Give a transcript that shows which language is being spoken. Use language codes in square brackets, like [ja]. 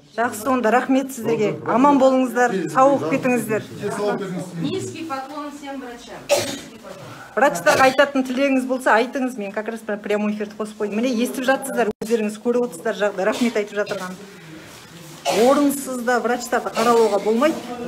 [kk] Жақсы, онда рахмет сіздерге. Аман болыңыздар, сау болып кетіңіздер. [ru] Низкий поклон всем врачам. [kk] Врачтарға айтатын тілегіңіз болса, айтыңыз. Мен [ru] как раз [kk] прямой эфирді қосып қойдым. Міне, естіп жатсыздар, өздеріңіз көріп отырсыздар жағдайды. Рахмет айтып жатырған. Орынсыз да врачтарды қаралауға болмайды.